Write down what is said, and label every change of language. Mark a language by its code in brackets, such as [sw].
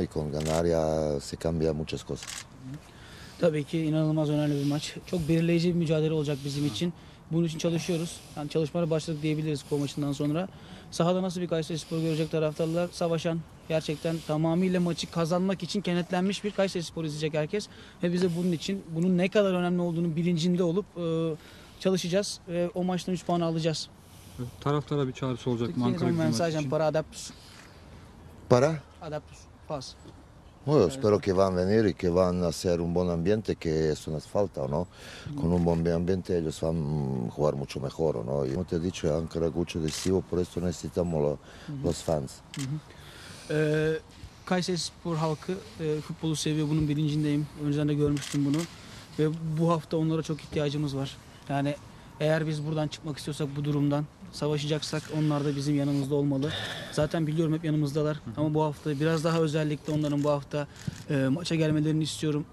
[es] Y con ganar ya se cambia muchas cosas. [tr] Tabii ki inanılmaz önemli bir maç. Çok belirleyici bir mücadele olacak bizim için. Bunun için çalışıyoruz. Yani çalışmaya başladık diyebiliriz bu maçından sonra. Sahada nasıl bir Kayserispor görecek taraftarlar? Savaşan, gerçekten tamamıyla maçı kazanmak için kenetlenmiş bir Kayserispor izleyecek herkes. Ve bize bunun için bunun ne kadar önemli olduğunu bilincinde olup çalışacağız ve o maçtan 3 puan alacağız. Taraftara bir çağrısı olacak Ankara gibi maç için. Para adaptus. Para? Adaptus, [es] paz. Bueno, espero que van a venir y que van a hacer un buen ambiente, que eso nos falta, ¿no? Con un buen ambiente ellos van a jugar mucho mejor, ¿no? Y como te he dicho, Ankara Gücü decisivo, por eso necesitamos los fans. [tr] Kayserispor halkı, futbolu seviyor, bunun bilincindeyim. Önceden de görmüştüm bunu. Ve bu hafta onlara çok ihtiyacımız var. Yani eğer biz buradan çıkmak istiyorsak bu durumdan, savaşacaksak onlar da bizim yanımızda olmalı. Zaten biliyorum hep yanımızdalar. Ama bu hafta biraz daha özellikle onların bu hafta maça gelmelerini istiyorum.